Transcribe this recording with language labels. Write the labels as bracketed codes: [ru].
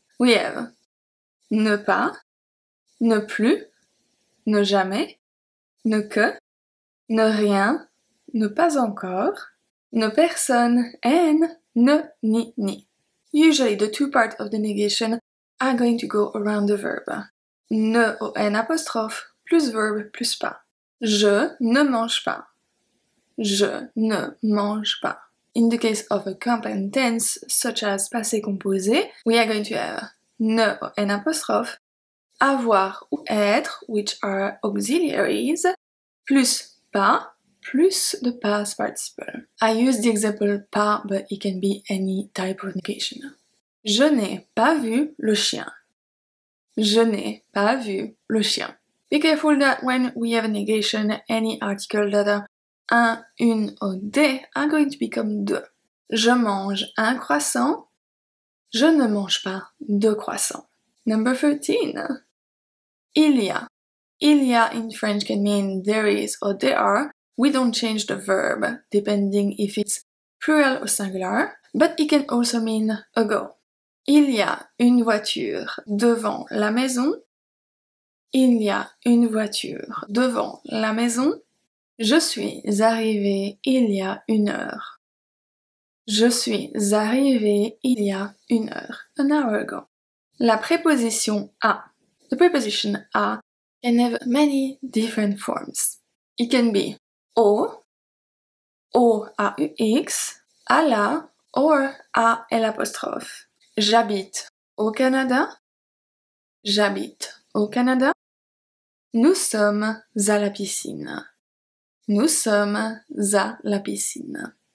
[en] We have ne pas, ne plus, ne jamais, ne que, ne rien, ne pas encore, ne personne, and ne, ni, ni. Usually the two parts of the negation are going to go around the verb. Ne au n apostrophe, plus verb, plus pas. [fr] Je ne mange pas. Je ne mange pas. [en] In the case of a compound tense, such as passé composé, we are going to have ne au n apostrophe, [fr] avoir ou être, [en] which are auxiliaries, plus pas, plus the past participle. I use the example pas, but it can be any type of negation. [fr] Je n'ai pas vu le chien. Je n'ai pas vu le chien. [en] Be careful that when we have a negation, any article that are un, une, ou des are going to become de. [fr] Je mange un croissant. Je ne mange pas de croissant. [en] Number 13. [fr] Il y a. [en] Il y a in French can mean there is or there are. We don't change the verb depending if it's plural or singular, but it can also mean ago. [fr] Il y a une voiture devant la maison. Il y a une voiture devant la maison. Je suis arrivé il y a une heure. Je suis arrivé il y a une heure. [en] An hour ago. [fr] La préposition à. [en] The preposition à can have many different forms. It can be au, au, à la, or à l'apostrophe. [fr] J'habite au Canada. J'habite au Canada. Nous sommes à la piscine. Nous sommes à la piscine.